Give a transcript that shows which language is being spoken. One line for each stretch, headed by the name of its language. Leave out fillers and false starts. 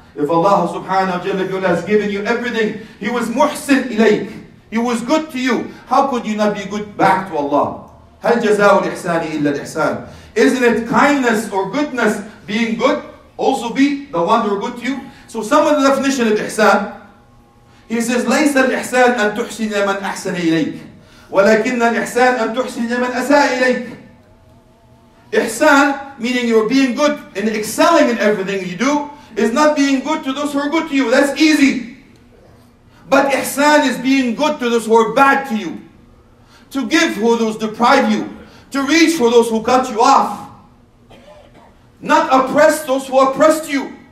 English: If Allah subhanahu wa jalla bi'ula has given you everything, He was
Arabic: muhsin ilayk,
English: He was good to you, how could you not be good back to Allah?
Arabic: هَلْ جَزَاءُ الْإِحْسَانِ إِلَّا الْإِحْسَانِ.
English: Isn't it kindness or goodness being good also be the one who are good to you? So some of the definition of ihsan, he says,
Arabic: لَيْسَ الْإِحْسَانِ أَن تُحْسِنَ مَنْ أَحْسَنَ إِلَيْكَ وَلَكِنَّ الْإِحْسَانِ أَن تُحْسِنَ مَنْ أَسَاءَ إِلَيْكَ.
English: Ihsan, meaning you're being good and excelling in everything you do, is not being good to those who are good to you. That's easy. But ihsan is being good to those who are bad to you. To give who those deprive you. To reach for those who cut you off. Not oppress those who oppressed you.